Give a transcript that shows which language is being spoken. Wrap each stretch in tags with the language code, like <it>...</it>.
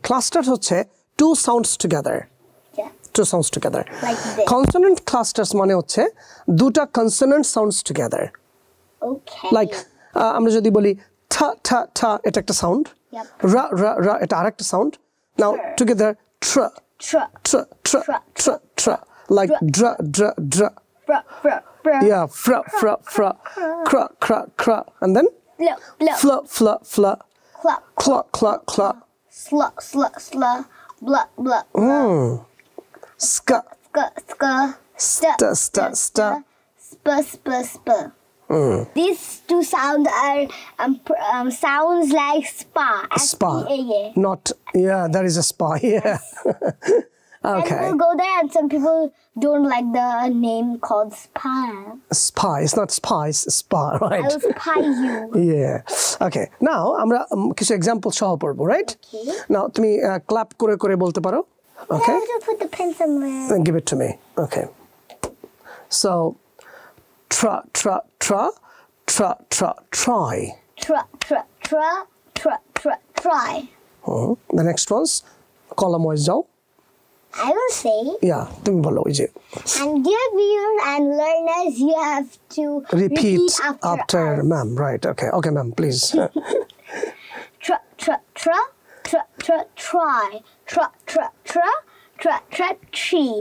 <en>Clusters</en> <bn>হচ্ছে</bn> <en>two sounds together. Yeah. Two sounds together. Like this. Consonant clusters</en> <bn>মানে হচ্ছে দুটা</bn> <en>consonant sounds together. Okay. Like</en> <bn>আমরা যদি বলি ta ta ta এটা একটা sound.</bn> <en>Yep.</en> <bn>Ra ra ra এটা আরেকটা sound.</bn> <en>Now sure. Together tra tra tra tra tra tra like dra dra dra. Fra fra fra. Yeah, fra fra fra. Kra kra kra and then fla fla fla. Cluck, cluck, cluck. Sluck, sluck, sluck. Bluck, bluck. Ska. Ska, ska. Sta, sta, sta. Spa, spa, spa. These two sounds are sounds like spa. Spa. Not, yeah, there is a spa, yeah. Okay. And we'll go there and some people don't like the name called spa. Spa, it's not spa, it's spa, right? I will spy you. Yeah. Okay, now</en> <bn>আমরা কিছু</bn> <en>example show</en> <bn>করবো,</bn> <en>right? Okay. Now</en> <bn>তুমি clap করে করে বলতে পারো.</bn> <en>Okay. Yeah, I'll just put the pen somewhere. And give it to me. Okay. So, tra tra tra, tra tra try. Tra tra tra, tra tra try. The next ones, column wise down. I will say. Yeah,</en> <bn>তুমি বলো এই যে.</bn> <en>And dear viewers and learners, you have to repeat after us. Ma'am, right? Okay, ma'am, please. Tra tra tra, tra tra try, tra tra tra, tra tra tree.</en>